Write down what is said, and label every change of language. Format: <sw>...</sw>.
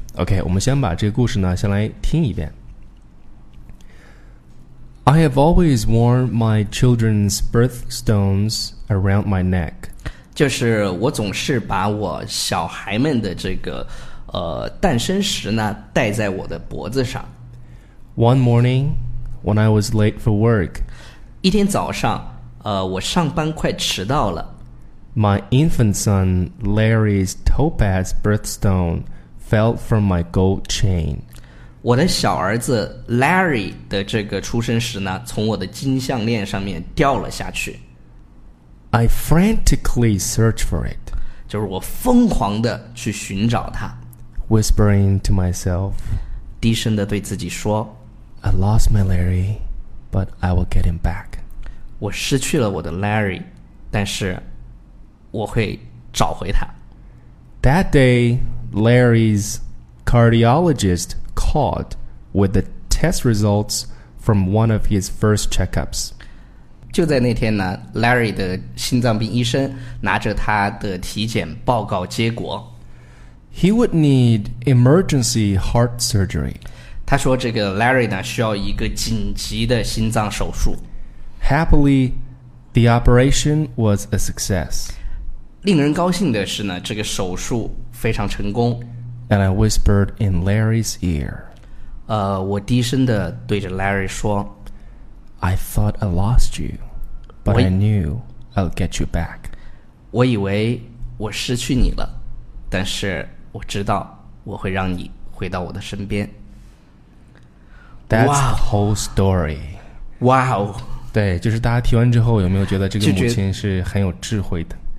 <zh>OK， 我们先把这个故事呢，先来听一遍。</zh> <en>I have always worn my children's birthstones around my neck。</en> <zh>就是我总是把我小孩们的这个诞生石呢戴在我的脖子上。</zh> <en>One morning, when I was late for work，</en> <zh>一天早上，我上班快迟到了。</zh> <en>My infant son Larry's topaz birthstone fell from my gold chain.</en> <zh>我的小儿子 Larry 的这个出生石呢，从我的金项链上面掉了下去。</zh> <en>I frantically searched for it.</en> <zh>就是我疯狂的去寻找它。</zh> <en>Whispering to myself.</en> <zh>低声的对自己说。</zh> <en>I lost my Larry, but I will get him back.</en> <zh>我失去了我的 Larry, 但是我会找回他。</zh> <en>That day, Larry's cardiologist called with the test results from one of his first checkups.</en> <zh>就在那天呢 ，Larry 的心脏病医生拿着他的体检报告结果。</zh> <en>He would need emergency heart surgery.</en> <zh>他说这个 Larry 呢需要一个紧急的心脏手术。</zh> <en>Happily, the operation was a success.</en> <zh>令人高兴的是呢，这个手术非常成功。</zh> <en>And I whispered in Larry's ear.</en> <zh>我低声的对着 Larry 说。</zh> <en>I thought I lost you, but I knew I'll get you back.</en> <zh>我以为我失去你了，但是我知道我会让你回到我的身边。</zh> <en>That's the whole story. Wow.</en> <zh>对，就是大家听完之后，有没有觉得这个母亲是很有智慧的？</zh>